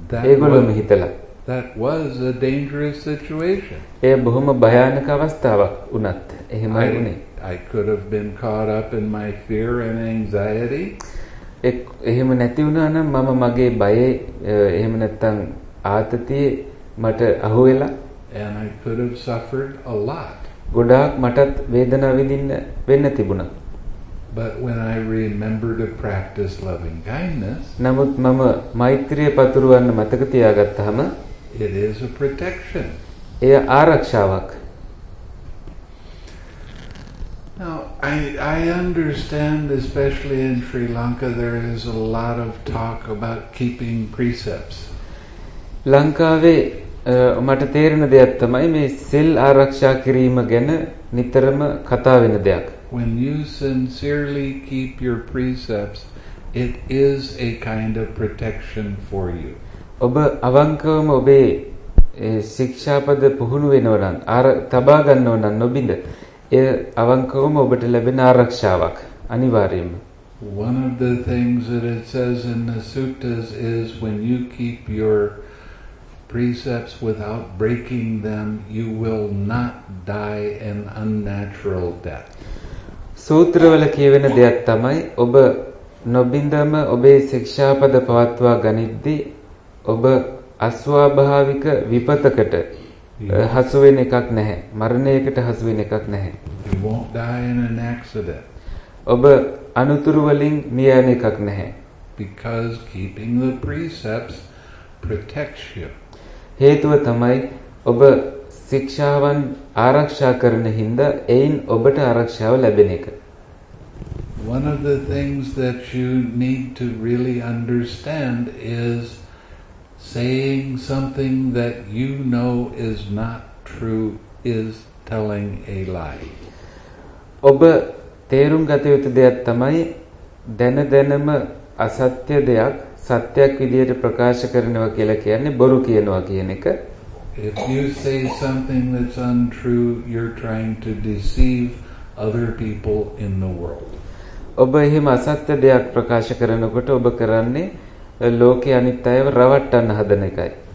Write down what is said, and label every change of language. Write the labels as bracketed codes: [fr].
[si] ඒගොල්ලෝම හිතලා [en] That was a dangerous situation. [si] ඒ බොහොම භයානක අවස්ථාවක් වුණත් එහෙමයි වුණේ. [en] I could have been caught up in my fear and anxiety. [si] එහෙම නැති වුණා නම් මම මගේ බයේ එහෙම නැත්තම් ආතතියේ මට අහු වෙලා [en] and I could have suffered a lot. [si] ගොඩාක් මටත් වේදනාව විඳින්න වෙන්න තිබුණා. [en] But when I remember to practice loving kindness, [si] නමුත් මම මෛත්‍රිය පතුරවන්න මතක තියාගත්තාම [en] it is a protection. [si] එය ආරක්ෂාවක්. [en] Now I understand especially in Sri Lanka there is a lot of talk about keeping precepts. [si] ලංකාවේ මට තේරෙන දෙයක් තමයි මේ සිල් ආරක්ෂා කිරීම ගැන නිතරම කතා වෙන දෙයක්. [en] When you sincerely keep your precepts, it is a kind of protection for you. [si] ඔබ අවංකවම ඔබේ ශික්ෂාපද පුහුණු වෙනවා නම් අර තබා ගන්නවා නම් නොබිඳ එය අවංකවම ඔබට ලැබෙන ආරක්ෂාවක් අනිවාර්යයෙන්ම. [en] One of the things that it says in the suttas is when you keep your precepts without breaking them, you will not die an unnatural death. [si] සූත්‍රවල කියවෙන දෙයක් තමයි ඔබ නොබින්දම ඔබේ ශික්ෂාපද පවත්වා ගනිද්දී ඔබ අස්වාභාවික විපතකට හසු වෙන එකක් නැහැ මරණයකට හසු වෙන එකක් නැහැ [en] You won't die in an accident. [si] ඔබ අනුතුරු වලින් මිය යන එකක් නැහැ [en] Because keeping the precepts protects you. [si] හේතුව තමයි ඔබ ශික්ෂාවන් ආරක්ෂා කරන හින්දා එයින් ඔබට ආරක්ෂාව ලැබෙන එක. [en] One of the things that you need to really understand is saying something that you know is not true is telling a lie. [si] ඔබ තේරුම් ගත යුතු දෙයක් තමයි දන දනම අසත්‍ය දෙයක් සත්‍යක් විදියට ප්‍රකාශ කරනවා කියලා කියන්නේ බොරු කියනවා කියන එක. [en] If you say something that's untrue, you're trying to deceive other people in the world. [si] ඔබ එහෙම අසත්‍ය දෙයක් ප්‍රකාශ කරනකොට ඔබ කරන්නේ ලෝකේ අනිත් අයව රවට්ටන්න හදන එකයි.